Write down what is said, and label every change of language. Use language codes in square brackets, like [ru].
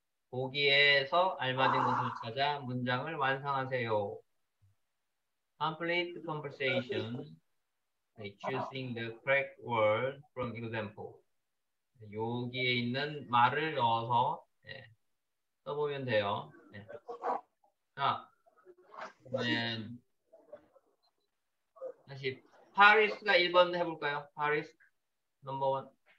[ko] 보기에서 알맞은 것을 찾아 문장을 완성하세요. [en] Complete the conversation by choosing the correct word from example. [ko] 여기에 있는 말을 넣어서 네, 써보면 돼요. 네. 자, 그러면 다시 파리스가 1번 해볼까요? 파리스 넘버 원.